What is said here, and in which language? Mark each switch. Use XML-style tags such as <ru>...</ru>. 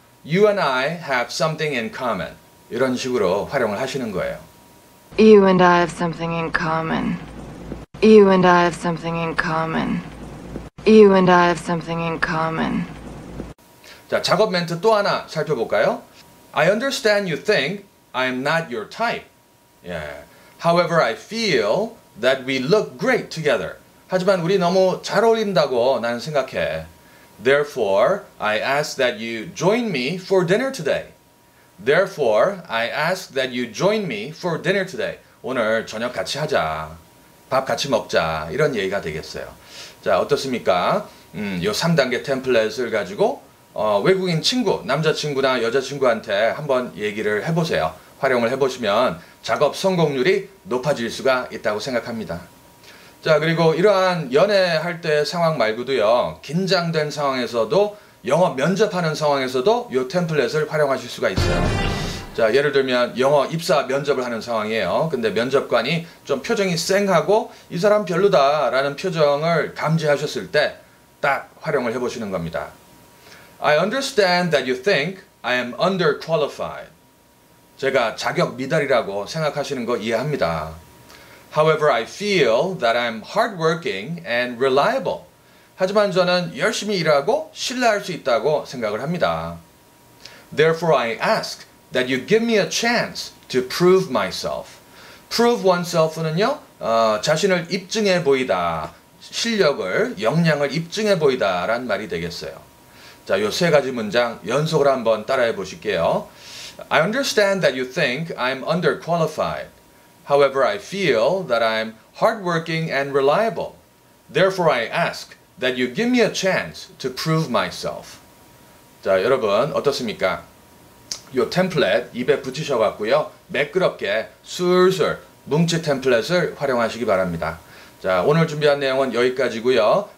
<en>You and I have something in common.</en> <ko>이런 식으로 활용을 하시는 거예요.</ko> <en>You and I have something in common. You and I have something in common. You and I have something in common.</en> <ko>자, 작업 멘트 또 하나 살펴볼까요?</ko> <en>I understand you think I'm not your type. Yeah. However, I feel that we look great together.</en> <ko>하지만 우리 너무 잘 어울린다고 나는 생각해.</ko> <en>Therefore, I ask that you join me for dinner today. Therefore, I ask that you join me for dinner today.</en> <ko>오늘 저녁 같이 하자. 밥 같이 먹자. 이런 얘기가 되겠어요. 자, 어떻습니까? 요 3단계 템플릿을 가지고 외국인 친구, 남자친구나 여자친구한테 한번 얘기를 해보세요. 활용을 해보시면 작업 성공률이 높아질 수가 있다고 생각합니다. 자, 그리고 이러한 연애할 때 상황 말고도요, 긴장된 상황에서도, 영어 면접하는 상황에서도 이 템플릿을 활용하실 수가 있어요. 자, 예를 들면 영어 입사 면접을 하는 상황이에요. 근데 면접관이 좀 표정이 쌩하고 이 사람 별로다 라는 표정을 감지하셨을 때 딱 활용을 해보시는 겁니다.</ko> <en>I understand that you think I am underqualified.</en> <ko>제가 자격 미달이라고 생각하시는 거 이해합니다.</ko> <en>However, I feel that I'm hardworking and reliable.</en> <ko>하지만 저는 열심히 일하고 신뢰할 수 있다고 생각을 합니다.</ko> <en>Therefore, I ask that you give me a chance to prove myself. Prove oneself는요,</en> <ko>자신을 입증해 보이다, 실력을, 역량을 입증해 보이다란 말이 되겠어요. 자, 요 세 가지 문장 연속으로 한번 따라해 보실게요.</ko> <en>I understand that you think I'm underqualified. However, I feel that I'm hardworking and reliable. Therefore, I ask that you give me a chance to prove myself.</en> <ko>자, 여러분 어떻습니까? 요 템플릿 입에 붙이셔갖고요. 매끄럽게 술술 뭉치 템플릿을 활용하시기 바랍니다. 자, 오늘 준비한 내용은 여기까지고요.</ko>